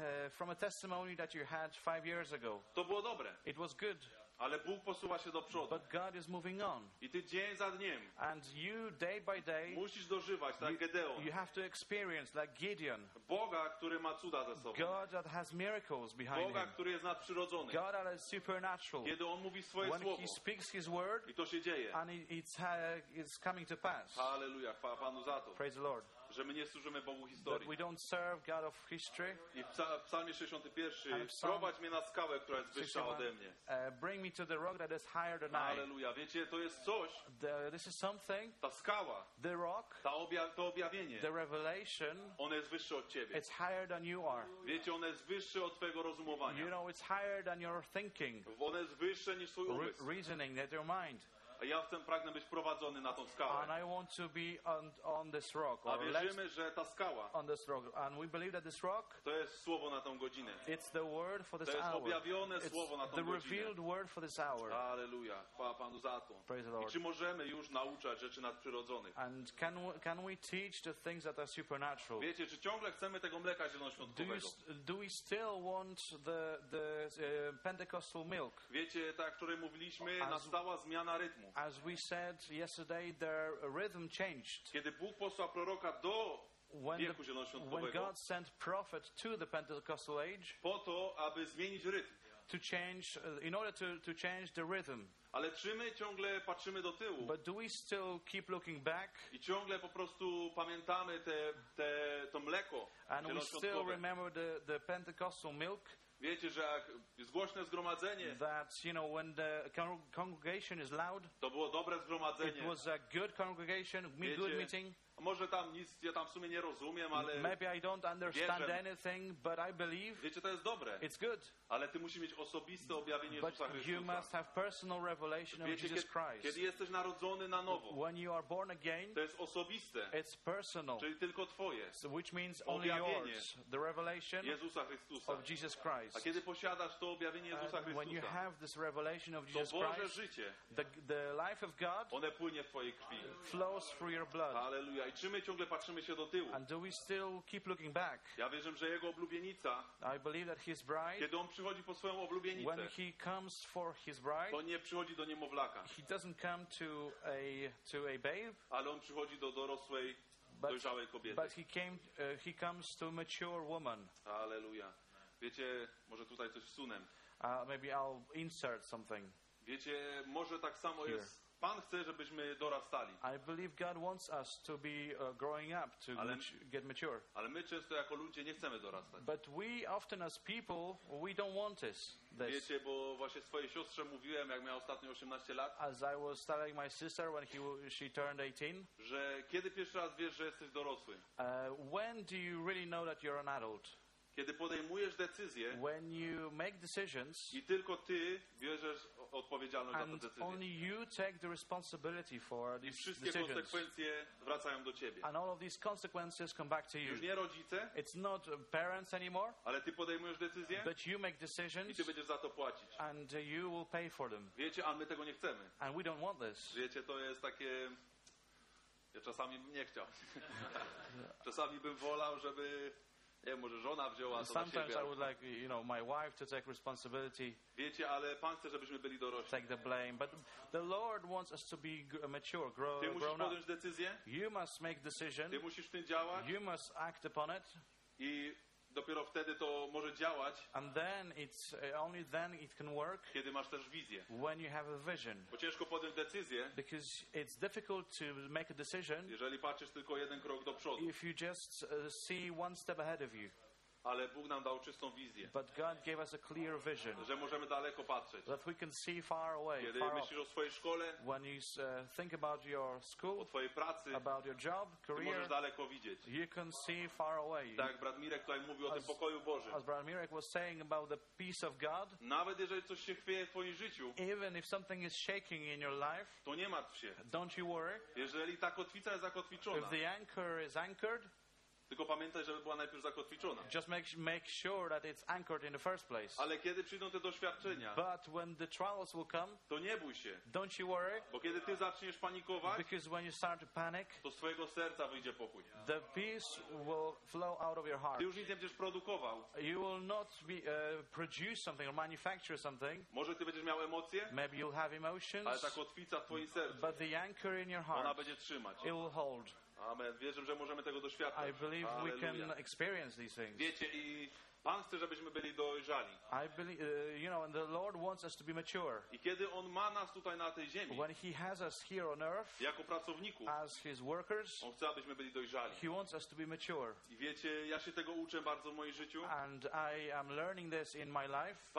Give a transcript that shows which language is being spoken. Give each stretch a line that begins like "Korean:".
English: From a testimony that you had 5 years ago.
Polish: To było dobre.
English: It was good.
Polish: Ale Bóg posuwa się do przodu.
English: But God is moving on.
Polish: I ty dzień za dniem.
English: And you day by day.
Polish: Musisz dożywać tak Gedeon.
English: You have to experience like Gideon.
Polish: Boga, który ma cuda ze sobą.
English: God that has miracles behind
Polish: Boga, który jest nadprzyrodzony.
English: God that is supernatural.
Polish: Kiedy on mówi swoje
English: when
Polish: słowo.
English: When he speaks his word.
Polish: I to się dzieje.
English: And it's coming to pass.
Polish: Halleluja, chwała Panu za to.
English: Praise the Lord.
Polish: Że my nie służymy Bogu historii.
English: That we don't serve God of history.
Polish: I w Psalmie 61 prowadź mnie na skałę, która jest wyższa ode mnie.
English: Bring me to the rock that is higher than I.
Polish: Alleluja. Wiecie, to jest coś.
English: This is something.
Polish: Ta skała.
English: The rock.
Polish: To objawienie.
English: The revelation.
Polish: Ono jest wyższe od ciebie.
English: It's higher than you are.
Polish: Wiecie, ono jest wyższe od twojego rozumowania.
English: You know, it's higher than your thinking.
Polish: Ono jest wyższe niż twój umysł.
English: Reasoning, that your mind.
Polish: A ja w tym pragnę być prowadzony na tą skałę.
English: And I want to be on this rock.
Polish: A wierzymy, że ta skała.
English: On this rock. And we believe that this rock.
Polish: To jest słowo na tą godzinę.
English: It's the word for this
Polish: to
English: hour.
Polish: To jest objawione
English: it's
Polish: słowo na tą godzinę.
English: The revealed word for this hour.
Polish: Alleluja. Chwała Panu za to.
English: Praise the Lord.
Polish: I czy możemy już nauczać rzeczy nadprzyrodzonych?
English: And can we teach the things that are supernatural?
Polish: Wiecie, czy ciągle chcemy tego mleka zielonoświątkowego?
English: Do we still want the Pentecostal milk?
Polish: Wiecie, tak, o której mówiliśmy, nastała zmiana rytmu.
English: As we said yesterday, their rhythm changed.
Polish: Kiedy Bóg posłał proroka do wieku zielonoświątkowego,
English: when God sent prophet to the Pentecostal age,
Polish: po to, aby zmienić rytm,
English: to change, in order to change the rhythm.
Polish: Ale czy my ciągle patrzymy do tyłu?
English: But do we still keep looking back?
Polish: I ciągle po prostu pamiętamy to mleko.
English: And we still remember the Pentecostal milk.
Polish: Wiecie, że jak jest głośne zgromadzenie,
English: that, you know, when the congregation is loud,
Polish: to było dobre zgromadzenie.
English: It was a good congregation,
Polish: wiecie,
English: good meeting.
Polish: Może tam nic, ja tam w sumie nie rozumiem, ale
English: maybe I don't understand anything, but I believe.
Polish: Wiecie, to jest dobre.
English: It's good.
Polish: Ale ty musisz mieć osobiste objawienie Jezusa Chrystusa.
English: But you must have personal revelation of
Polish: wiecie,
English: Jesus Christ.
Polish: Kiedy jesteś narodzony na nowo,
English: when you are born again,
Polish: to jest osobiste.
English: It's personal.
Polish: Czyli tylko twoje.
English: So which means only
Polish: objawienie
English: yours, the revelation
Polish: Jezusa Chrystusa.
English: Of Jesus Christ.
Polish: A kiedy posiadasz to objawienie Jezusa Chrystusa,
English: when you have this revelation of Jesus Christ,
Polish: to Boże życie,
English: the life of God,
Polish: one płynie w twojej krwi.
English: Flows through your blood. Hallelujah.
Polish: I czy my ciągle patrzymy się do tyłu?
English: And do we still keep looking back?
Polish: Ja wierzę, że jego oblubienica,
English: I believe that his bride,
Polish: kiedy on przychodzi po swoją oblubienicę,
English: when he comes for his bride,
Polish: to nie przychodzi do niemowlaka.
English: He doesn't come to a babe,
Polish: ale on przychodzi do dorosłej, dojrzałej kobiety.
English: But he comes to a mature woman.
Polish: Alleluja. Wiecie, może tutaj coś wsunę.
English: Maybe I'll insert something.
Polish: Wiecie, może tak samo
English: here.
Polish: Jest. Pan chce, żebyśmy dorastali.
English: I believe God wants us to be growing up, to get mature.
Polish: Ale my często jako ludzie nie chcemy dorastać.
English: But we often as people, we don't want this.
Polish: Wiecie, bo właśnie swojej siostrze mówiłem, jak miała ostatnio 18 lat.
English: As I was telling my sister when she turned 18.
Polish: Że kiedy pierwszy raz wiesz, że jesteś dorosły?
English: When do you really know that you're an adult?
Polish: Kiedy podejmujesz decyzje,
English: when you make decisions,
Polish: i tylko ty bierzesz odpowiedzialność
English: and
Polish: za tę decyzję,
English: only you take the responsibility for these
Polish: i wszystkie
English: decisions.
Polish: Konsekwencje wracają do ciebie.
English: And all of these consequences come back to you.
Polish: Już nie rodzice,
English: it's not parents anymore,
Polish: ale ty podejmujesz decyzje,
English: but you make decisions,
Polish: i ty będziesz za to płacić.
English: And you will pay for them.
Polish: Wiecie, a my tego nie chcemy.
English: And we don't want this.
Polish: Wiecie, to jest takie. Ja czasami bym nie chciał. Czasami bym wolał, żeby. Nie, może żona wzięła to
English: sometimes
Polish: na siebie.
English: I would like, you know, my wife to take responsibility.
Polish: Wiecie, ale Pan chce, żebyśmy byli dorośli.
English: Take the blame, but the Lord wants us to be mature, grow.
Polish: Ty musisz
English: grown
Polish: podjąć
English: up.
Polish: Decyzję.
English: You must make decision.
Polish: Ty musisz w tym działać.
English: You must act upon it.
Polish: I dopiero wtedy to może działać.
English: And then it's only then it can work.
Polish: Kiedy masz też wizję.
English: When you have a vision.
Polish: Bo ciężko podjąć decyzję.
English: Because it's difficult to make a decision.
Polish: Jeżeli patrzysz tylko jeden krok do przodu.
English: If you just see one step ahead of you.
Polish: Ale Bóg nam dał czystą wizję.
English: But God gave us a clear vision.
Polish: Że możemy daleko patrzeć.
English: That we can see far away.
Polish: Kiedy
English: far
Polish: myślisz
English: off.
Polish: O swojej szkole.
English: When you think about your school.
Polish: O twojej pracy.
English: About your job, career.
Polish: Ty możesz daleko widzieć.
English: You can see far away.
Polish: Tak, brat Mirek tutaj mówił o tym pokoju Bożym.
English: As brother Mirek was saying about the peace of God.
Polish: Nawet jeżeli coś się chwieje w twoim życiu.
English: Even if something is shaking in your life.
Polish: To nie martw się.
English: Don't you worry.
Polish: Jeżeli ta kotwica jest zakotwiczona.
English: If the anchor is anchored.
Polish: Tylko pamiętaj, żeby była najpierw zakotwiczona.
English: Just make sure that it's anchored in the first place.
Polish: Ale kiedy przyjdą te doświadczenia,
English: but when the trials will come,
Polish: to nie bój się.
English: Don't you worry.
Polish: Bo kiedy ty zaczniesz panikować,
English: because when you start to panic,
Polish: to z twojego serca wyjdzie pokój.
English: The peace will flow out of your heart.
Polish: Ty już nic nie będziesz produkował.
English: You will not be, produce something or manufacture something.
Polish: Może ty będziesz miał emocje,
English: maybe you'll have emotions,
Polish: ale ta kotwica w twoim sercu,
English: but the anchor in your heart,
Polish: ona będzie trzymać.
English: It will hold.
Polish: Amen. Wierzę, że możemy tego doświadczyć.
English: I believe we can experience these things.
Polish: Wiecie, i Pan chce, żebyśmy byli dojrzali.
English: I believe, you know, and the Lord wants us to be mature.
Polish: I kiedy On ma nas tutaj na tej ziemi,
English: when He has us here on earth,
Polish: jako pracowników,
English: as His workers,
Polish: On chce, abyśmy byli dojrzali.
English: He wants us to be mature.
Polish: I wiecie, ja się tego uczę bardzo w moim życiu.
English: And I am learning this in my life.